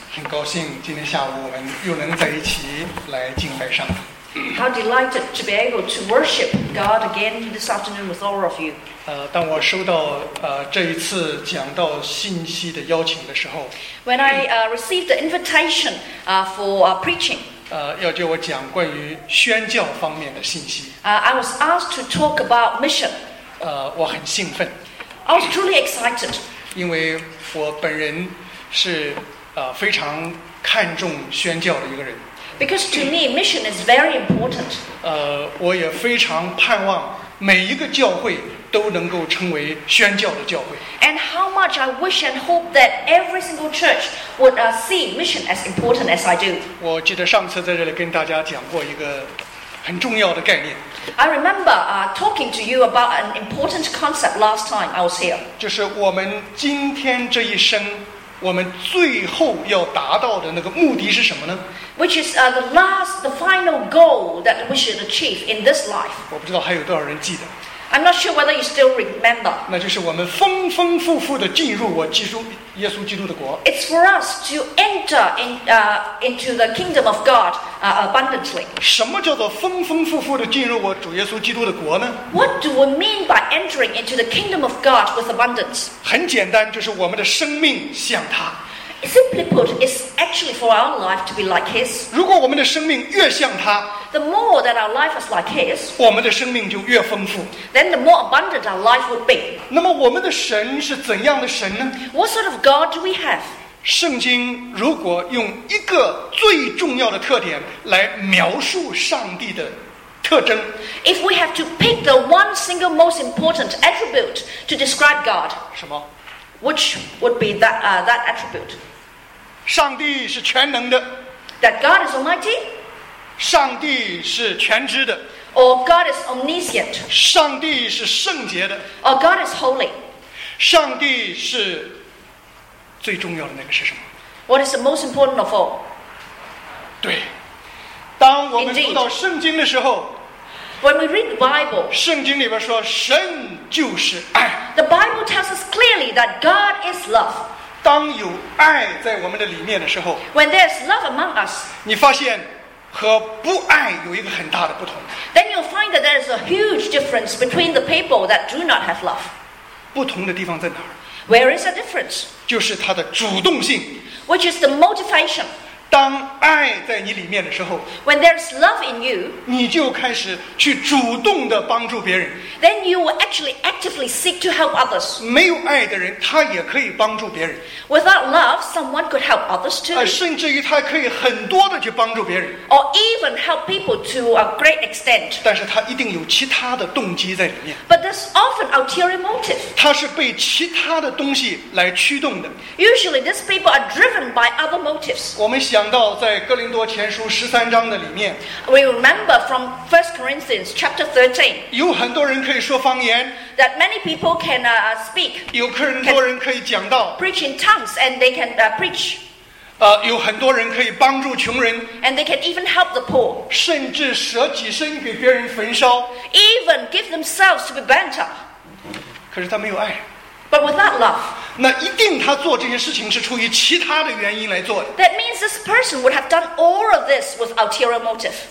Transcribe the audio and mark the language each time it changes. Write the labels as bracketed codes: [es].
[zh] 很高兴今天下午我们又能在一起来敬拜上帝。 [en] How delighted to be able to worship God again this afternoon with all of you. [zh] 当我收到这一次讲道信息的邀请的时候 [en] ，When I received the invitation for preaching. [zh] 要叫我讲关于宣教方面的信息。 [en] I was asked to talk about mission. [zh] 我很兴奋。 [en] I was truly excited. [zh] 因为我本人是非常看重宣教的一个人。 [en] Because to me, mission is very important. [zh] 我也非常盼望每一个教会都能够成为宣教的教会。 [en] And how much I wish and hope that every single church would see mission as important as I do. [zh] 我记得上次在这里跟大家讲过一个很重要的概念。 [en] I remember talking to you about an important concept last time I was here. [zh] 就是我们今天这一生我们最后要达到的那个目的是什么呢 [en] ？Which is the final goal that we should achieve in this life. [zh] 我不知道还有多少人记得。 [en] I'm not sure whether you still remember. [zh] 那就是我们丰丰富富的进入我基督耶稣基督的国。 [en] It's for us to enter into the kingdom of God abundantly. [zh] 什么叫做丰丰富富的进入我主耶稣基督的国呢 [en] ？What do we mean by entering into the kingdom of God with abundance? [zh] 很简单，就是我们的生命像他。 [en] Simply put, it's actually for our life to be like His. [zh] 如果我们的生命越像他 [en] the more that our life is like His, [zh] 我们的生命就越丰富 [en] then the more abundant our life would be. [zh] 那么我们的神是怎样的神呢 [en] What sort of God do we have? [zh] 圣经如果用一个最重要的特点来描述上帝的特征 [en] If we have to pick the one single most important attribute to describe God, [zh] 什么 [en] Which would be that attribute? [zh] 上帝是全能的。 [en] That God is almighty? [zh] 上帝是全知的。 [en] Or God is omniscient? [zh] 上帝是圣洁的。 [en] Or God is holy? [zh] 上帝是最重要的那个是什么 [en] ？What is the most important of all? [zh] 对，当我们读到圣经的时候。 [en] Indeed. When we read the Bible, [zh] 圣经里边说神就是爱。 [en] The Bible tells us clearly that God is love. [zh] 当有爱在我们的里面的时候 [en] ，When there's love among us, [zh] 你发现和不爱有一个很大的不同。 [en] Then you'll find that there is a huge difference between the people that do not have love. [zh] 不同的地方在哪儿 [en] ？Where is the difference? [zh] 就是它的主动性 [en] ，which is the motivation. [zh] 当爱在你里面的时候 [en] When there's love in you [zh] 你就开始去主动地帮助别人 [en] Then you will actually actively seek to help others [zh] 没有爱的人他也可以帮助别人 [en] Without love, someone could help others too [zh] 甚至于他可以很多地去帮助别人 [en] Or even help people to a great extent [zh] 但是他一定有其他的动机在里面 [en] But there's often ulterior motive [zh] 他是被其他的东西来驱动的 [en] Usually these people are driven by other motives [zh] 我们讲到在哥林多前书十三章的里面 [en] We remember from 1 Corinthians chapter 13 [zh] 有很多人可以说方言 [en] That many people can speak [zh] 有很多人可以讲道 [en] Preach in tongues and they can preach [zh] 有很多人可以帮助穷人 [en] And they can even help the poor [zh] 甚至舍己身给别人焚烧 [en] Even give themselves to be burnt up [zh] 可是他没有爱 [en] But without love [zh] 那一定他做这些事情是出于其他的原因来做的。 [en] That means this person would have done all of this with ulterior motive.